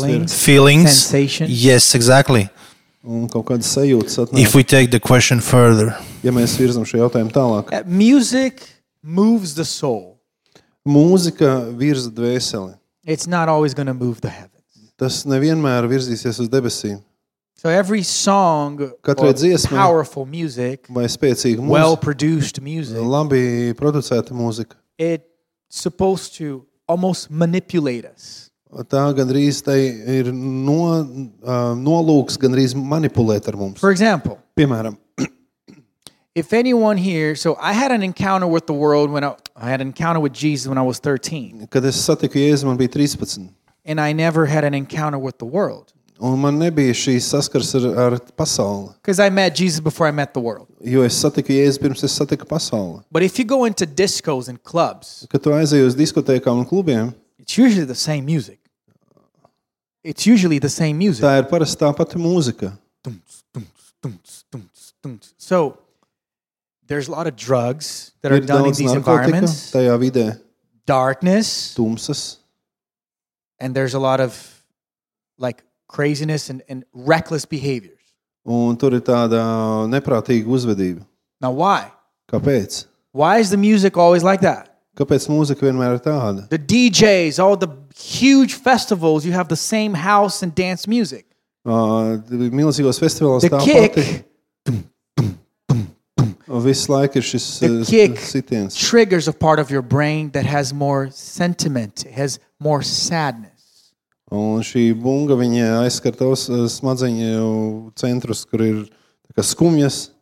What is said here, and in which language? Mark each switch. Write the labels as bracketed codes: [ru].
[en] feelings. Sensation. Yes, exactly. If we take the question further. Music moves the soul. [lv] Mūzika virza dvēseli. [en] It's not always going to move the heavens. [lv] Tas nevienmēr virzīsies uz debesīm. [en] So every song, [lv] katrai dziesmai, [en] powerful music, [lv] vai spēcīga mūzika, [en] well-produced music, [lv] labi producēta mūzika, [en] it's supposed to almost manipulate us. [lv] Tā gandrīz tai ir nolūks gandrīz manipulēt ar mums. [en] For example, [lv] piemēram, [en] if anyone here, so I had an encounter with the world when I had an encounter with Jesus when I was 13. [lv] Kad es satiku Jēzu, man bija 13. [en] And I never had an encounter with the world. [lv] Un man nebija šī saskars ar pasauli. [en] Because I met Jesus before I met the world. [lv] Jo es satiku Jēzu, pirms es satiku pasauli. [en] But if you go into discos and clubs, [lv] kad tu aizēji uz diskotēkām un klubiem, [en] It's usually the same music. [lv] Tā ir parasti tā pati mūzika. Tums. [en] So, there's a lot of drugs that are done in these environments. [lv] Tajā vidē. [en] Darkness. [lv] Tumsas. [en] And there's a lot of, like, craziness and reckless behaviors. [lv] Un tur ir tāda neprātīga uzvedība. [en] Now why? [lv] Kāpēc? [en] Why is the music always like that? [lv] Kāpēc mūzika vienmēr ir tāda? [en] The DJs, all the huge festivals, you have the same house and dance music. [lv] Milzīgos festivālos tāpat. [en] The kick. [lv] Visu laiku ir šis sitiens. [en] Triggers a part of your brain that has more sentiment, has more sadness. [lv] Un šī bunga, viņa aizskar tos smadzeņu centrus, kur ir tā kā skumjas.